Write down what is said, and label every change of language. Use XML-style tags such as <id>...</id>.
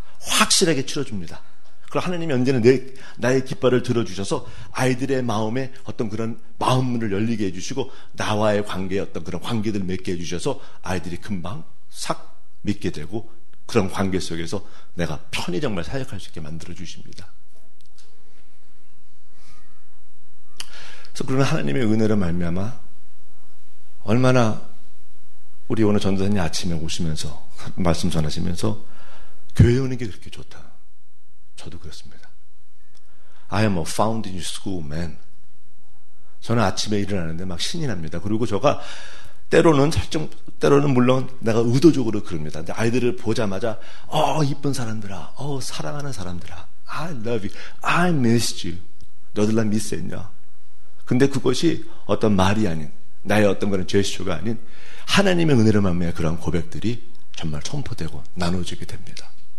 <ko>확실하게 치러줍니다. 그리고 하나님이 언제나 나의 깃발을 들어주셔서 아이들의 마음에 어떤 그런 마음문을 열리게 해주시고 나와의 관계에 어떤 그런 관계들을 맺게 해주셔서 아이들이 금방 싹 믿게 되고 그런 관계 속에서 내가 편히 정말 사역할 수 있게 만들어주십니다. 그래서 그런 하나님의 은혜로 말미암아 얼마나 우리 오늘 전도사님 아침에 오시면서 말씀 전하시면서 교회 오는 게 그렇게 좋다. 저도 그렇습니다.</ko> <en>I am a founding school man.</en> <ko>저는 아침에 일어나는데 막 신이 납니다. 그리고 제가 때로는 물론 내가 의도적으로 그럽니다. 근데 아이들을 보자마자 이쁜 사람들아, 사랑하는 사람들아, I love you, I miss you. 너들 나 미스했냐? 근데 그것이 어떤 말이 아닌 나의 어떤 그런 제스처가 아닌 하나님의 은혜로 말미암아 그런 고백들이 정말 선포되고 나눠지게 됩니다.</ko>